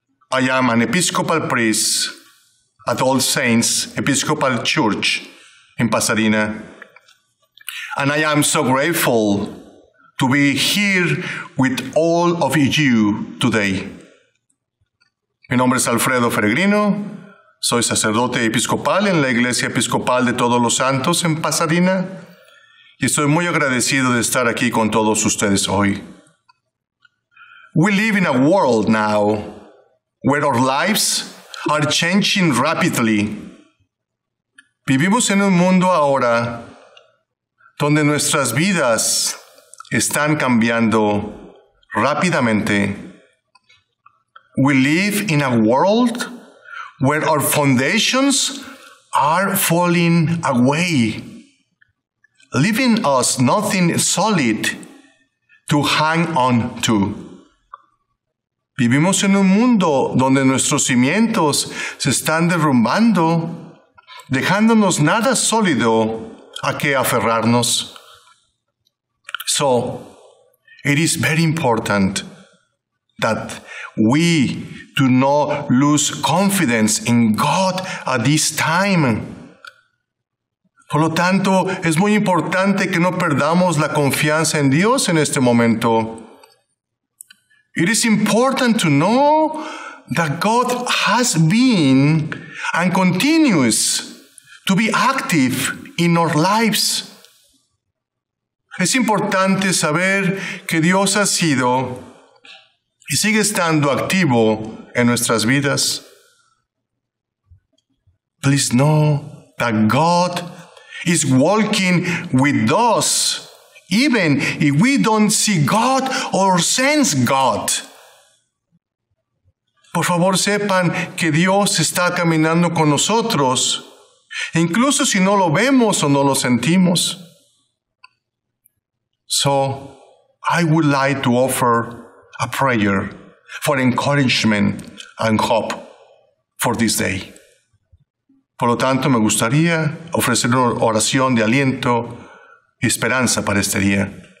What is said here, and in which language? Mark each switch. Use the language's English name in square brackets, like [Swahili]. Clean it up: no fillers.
[English] I am an Episcopal priest at All Saints Episcopal Church in Pasadena. And I am so grateful to be here with all of you today. [Spanish] Mi nombre es Alfredo Peregrino. Soy sacerdote episcopal en la Iglesia Episcopal de Todos los Santos en Pasadena. Y estoy muy agradecido de estar aquí con todos ustedes hoy. [English] We live in a world now where our lives are changing rapidly. [Spanish] Vivimos en un mundo ahora donde nuestras vidas están cambiando rápidamente. [English] We live in a world where our foundations are falling away, leaving us nothing solid to hang on to. [Spanish] Vivimos en un mundo donde nuestros cimientos se están derrumbando, dejándonos nada sólido a qué aferrarnos. [English] So, it is very important that we do not lose confidence in God at this time. [Spanish] Por lo tanto, es muy importante que no perdamos la confianza en Dios en este momento. [English] It is important to know that God has been and continues to be active in our lives. [Spanish] Es importante saber que Dios ha sido y sigue estando activo en nuestras vidas. [English] Please know that God is walking with us, even if we don't see God or sense God. [Spanish] Por favor, sepan que Dios está caminando con nosotros, incluso si no lo vemos o no lo sentimos. [English] So, I would like to offer a prayer for encouragement and hope for this day. [Spanish] Por lo tanto, me gustaría ofrecer una oración de aliento y esperanza para este día.